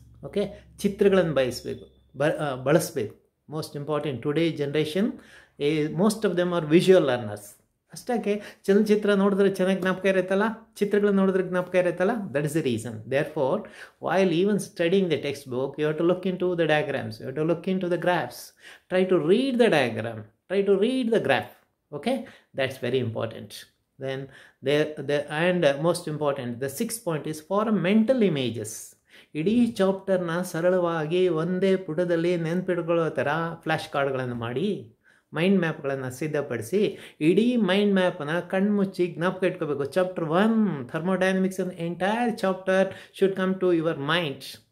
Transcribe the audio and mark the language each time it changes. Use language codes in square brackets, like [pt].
[en] okay, [kn] ಚಿತ್ರಗಳನ್ನು ಬಯಸಬೇಕು, ಬಳಸಬೇಕು. [en] Most important, today generation most of them are visual learners. [kn] ಅಷ್ಟಕ್ಕೆ ಚಲನಚಿತ್ರ ನೋಡಿದ್ರೆ ಚೆನ್ನಾಗಿ ಜ್ಞಾಪಕ ಇರುತ್ತಲ್ಲ, ಚಿತ್ರಗಳನ್ನ ನೋಡಿದ್ರೆ ಜ್ಞಾಪಕ ಇರುತ್ತಲ್ಲ, [en] That is the reason. Therefore while even studying the textbook, you have to look into the diagrams, you have to look into the graphs, try to read the diagram, try to read the graph. Okay, that's very important. Then and most important, the sixth point is for mental images. [kn] ಇಡೀ ಚಾಪ್ಟರ್ನ ಸರಳವಾಗಿ ಒಂದೇ ಪುಟದಲ್ಲಿ ನೆನ್ಪಿಟ್ಕೊಳ್ಳೋ ಥರ flash ಕಾರ್ಡ್ಗಳನ್ನು ಮಾಡಿ, mind ಮ್ಯಾಪ್ಗಳನ್ನು ಸಿದ್ಧಪಡಿಸಿ ಇಡೀ mind ಮ್ಯಾಪನ್ನು ಕಣ್ಮುಚ್ಚಿ ಜ್ಞಾಪಕ ಇಟ್ಕೋಬೇಕು. [en] Chapter one thermodynamics an entire chapter should come to your mind.